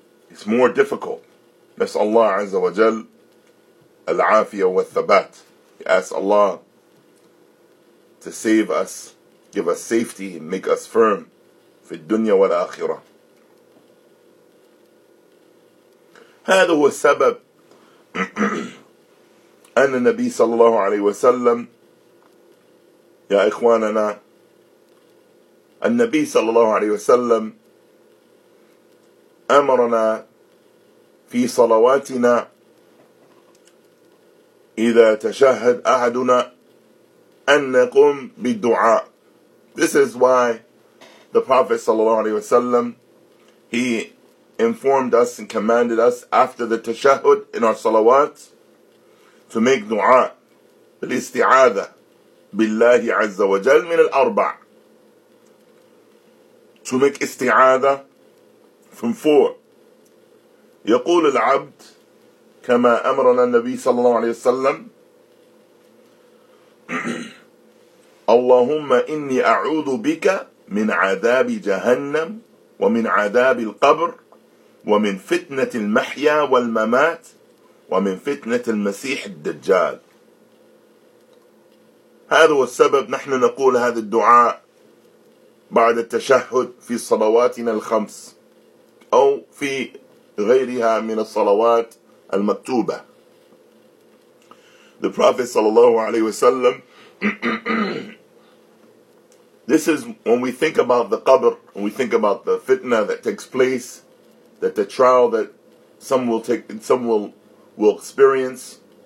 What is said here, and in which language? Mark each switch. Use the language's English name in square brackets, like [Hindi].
[English] It's more difficult upon him. That's Allah Azza wa Jal Al-Afiya wa Thabat. He asks Allah to save us, give us safety, and make us firm [Arabic] في الدنيا والآخرة. هذا هو السبب أن النبي صلى الله عليه وسلم يا إخواننا النبي صلى الله عليه وسلم أمرنا في صلواتنا إذا تشهد أحدنا أن نقوم بالدعاء. [English] This is why the Prophet صلى الله عليه وسلم he informed us and commanded us after the tashahud in our salawat to make dua, [Arabic] الاستعاذة بالله عز وجل من الأربع. [English] To make استعاذة from four. [Arabic] يقول العبد كما أمرنا النبي صلى الله عليه وسلم. اللهم إني أعوذ بك من عذاب جهنم ومن عذاب القبر ومن فتنة المحيا والممات ومن فتنة المسيح الدجال. هذا هو السبب نحن نقول هذا الدعاء بعد التشهد في صلواتنا الخمس أو في غيرها من الصلوات المكتوبة. [English] The Prophet صلى الله عليه وسلم, this is when we think about the qabr, when we think about the fitna that takes place, that the trial that some will take, some will experience.